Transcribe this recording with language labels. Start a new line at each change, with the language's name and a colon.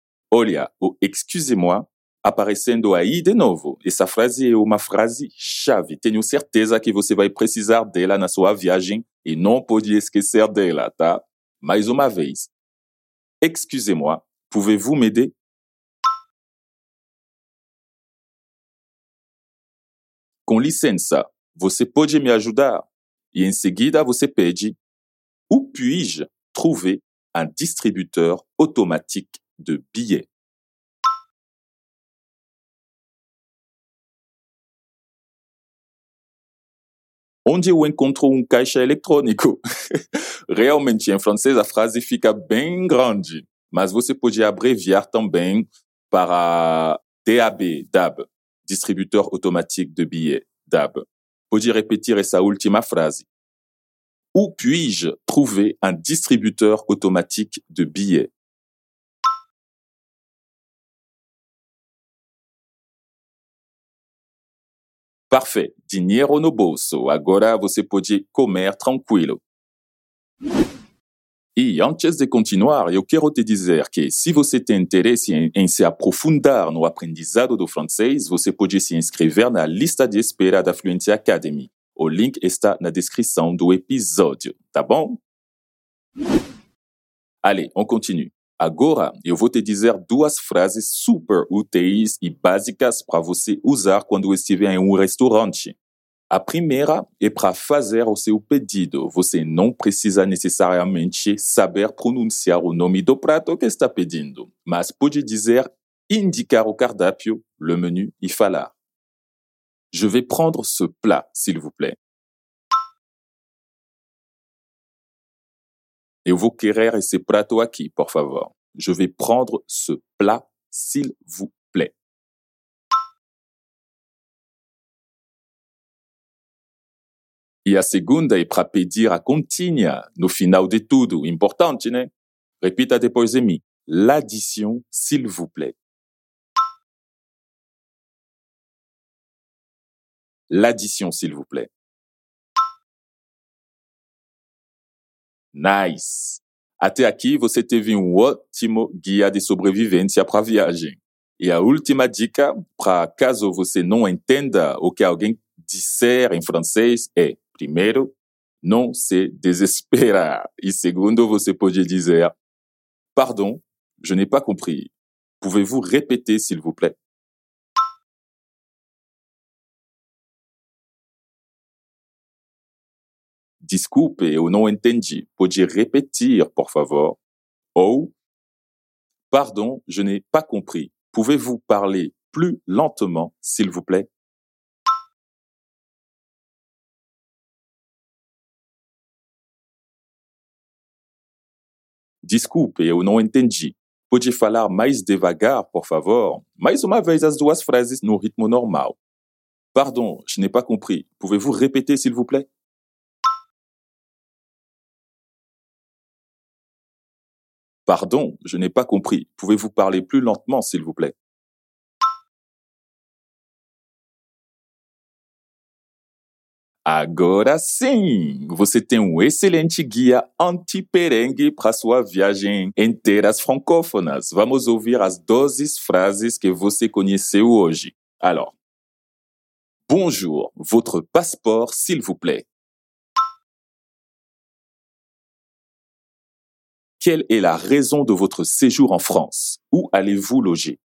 Portuguese: Olha, o
French: excusez-moi
Portuguese: aparecendo aí de novo. Essa frase é uma frase chave. Tenho certeza que você vai precisar dela na sua viagem e não pode esquecer dela, tá? Mais uma vez.
French: Excusez-moi, pouvez-vous m'aider?
Portuguese: Com licença, você pode me ajudar? E em seguida você pede,
French: où puis-je trouver un distributeur automatique de billets?
Portuguese: Onde eu encontro caixa eletrônico? Realmente, em francês, a frase fica bem grande. Mas você pode abreviar também para DAB, DAB, Distributeur Automatique de Billets, DAB. Pode repetir essa última frase.
French: Où puis-je trouver distributeur automatique de billets?
Portuguese: Parfait, dinheiro no bolso, agora você pode comer tranquilo. E antes de continuar, eu quero te dizer que se você tem interesse em se aprofundar no aprendizado do francês, você pode se inscrever na lista de espera da Fluency Academy. O link está na descrição do episódio, tá bom?
French: Allez, on continue.
Portuguese: Agora, eu vou te dizer duas frases super úteis e básicas para você usar quando estiver em restaurante. A primeira é para fazer o seu pedido. Você não precisa necessariamente saber pronunciar o nome do prato que está pedindo, mas pode dizer indicar o cardápio, le menu e falar.
French: Je vais prendre ce plat, s'il vous plaît. Et vous querrez ce plateau aquí, por favor. Je vais prendre ce plat, s'il vous plaît.
Portuguese: E a segunda é para pedir a continha no final de tudo. Importante, né? Repita depois de mim.
French: L'addition, s'il vous plaît. L'addition, s'il vous plaît.
English: Nice.
Portuguese: Até aqui, você teve ótimo guia de sobrevivência para a viagem. E a última dica, para caso você não entenda o que alguém disser em francês, é, primeiro, não se desesperar. E segundo, você pode dizer,
French: pardon, je n'ai pas compris. Pouvez-vous répéter, s'il vous plaît?
Portuguese: Desculpe, eu não entendi. Pode repetir, por favor?
French: Ou, pardon, je n'ai pas compris. Pouvez-vous parler plus lentement, s'il vous plaît?
Portuguese: Desculpe, eu não entendi. Pode falar mais devagar, por favor? Mais uma vez as duas frases no ritmo normal.
French: Pardon, je n'ai pas compris. Pouvez-vous répéter, s'il vous plaît? Pardon, je n'ai pas compris. Pouvez-vous parler plus lentement, s'il vous plaît?
Portuguese: Agora sim! Você tem excelente guia anti-perengue para sua viagem em terras francófonas. Vamos ouvir as 12 frases que você conheceu hoje.
French: Alors, bonjour, votre passeport, s'il vous plaît. Quelle est la raison de votre séjour en France? Où allez-vous loger?